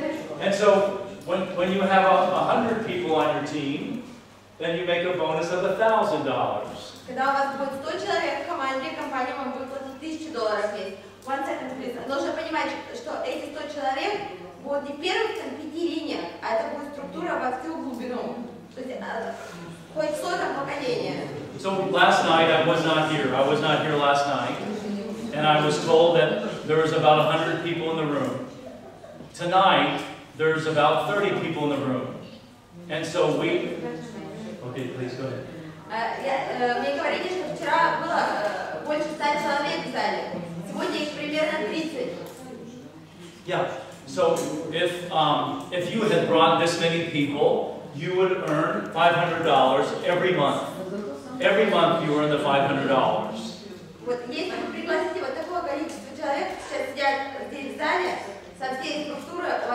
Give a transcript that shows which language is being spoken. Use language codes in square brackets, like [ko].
[en] When you have 100 people on your team, then you make a bonus of $1,000. [ru] Когда у вас будет 100 человек в команде, компания вам будет платить $1,000 в месяц. [en] One second, please. [ru] Нужно понимать, что эти 100 человек будут не первых там 5 линиях, а это будет структура во всю глубину. То есть хоть 100 поколения. [en] So last night I was not here. I was not here last night. And I was told that there was about 100 people in the room. Tonight, there's about 30 people in the room. And so we... Okay, please go ahead. [ru] Мне говорили, что вчера было больше 100 человек в зале. Сегодня их примерно 30. [en] Yeah, so if you had brought this many people, you would earn $500 every month. Every month you earn the $500. [ru] Вот если вы пригласите вот такое количество человек, сейчас сидят здесь в зале, со всей инфраструктурой